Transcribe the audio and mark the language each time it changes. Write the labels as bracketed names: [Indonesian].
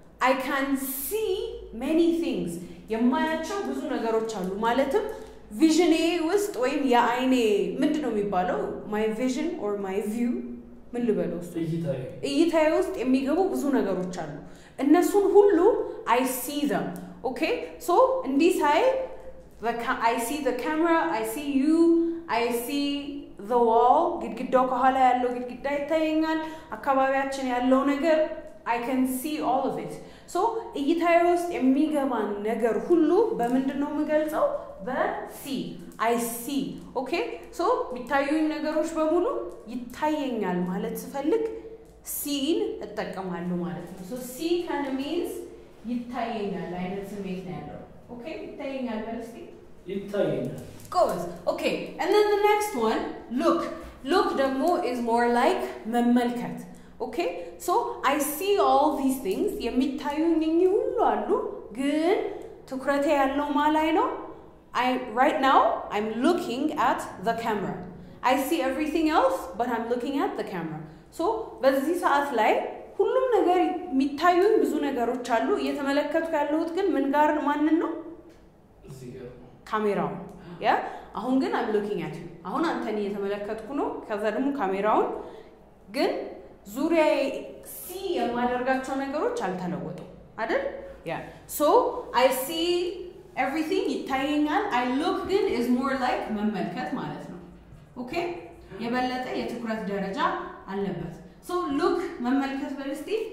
[English] I can see many things [Amharic] የማያቸው ብዙ ነገሮች አሉ። ማለትም ቪዥኔ ውስጥ ወይም የአይኔ ምንድን ነው የሚባለው [English] my vision or my view [Amharic] ምን ልበለው እሱ እይታዬ ውስጥ የሚገቡ ብዙ ነገሮች አሉ። እነሱን ሁሉ [English] I see them. Okay? So in this eye I see the camera, I see you, I see the wall. [Amharic] ግድግዳው ከኋላ ያለው ግድግዳ ይታየኛል። አካባቢያችን ያለው ነገር [English] I can see all of it. [Amharic] So እይታዬ ውስጥ የሚገባን ነገር ሁሉ በምንድን ነው የምገልጸው? በ see. [English] I see. Okay? [Amharic] So የሚታዩኝ ነገሮች በሙሉ ይታየኛል ማለት ስፈልግ ሲን እጠቀማለሁ ማለት ነው። [English] So see kind of means [Amharic] ይታየኛል አይነት ስሜት ነው ያለው። Okay? ይታየኛል ማለት ይታየኛል. [English] Goes. Okay. And then the next one, look. Look ደግሞ is more like መመልከት. Okay? So I see all these things. [Amharic] የሚታዩኝ ሁሉ አሉ ግን ትኩረቴ ያለው ማላይ ነው? [English] Right now I'm looking at the camera. I see everything else but I'm looking at the camera. [Amharic] So በዚህ ሰዓት ላይ ሁሉም ነገር የሚታዩኝ ብዙ ነገሮች አሉ እየተመለከትኩ ያለሁት ግን ምን ጋር ማንን ነው? ካሜራው ያ አሁን ግን [English] I'm looking at you. [Amharic] አሁን አንተን እየተመለከትኩ ነው ከዛ ደግሞ ካሜራውን ግን ዙሪያ ሲ የማደርጋቸው ነገሮች አልተለወጡ አይደል? [English] ያ so I see everything ይታየኛል I look good is more like [Amharic] መመልከት ማለት ነው. Okay? የበለጠ የትኩረት ደረጃ አለበት. So look መመልከት በልስቲ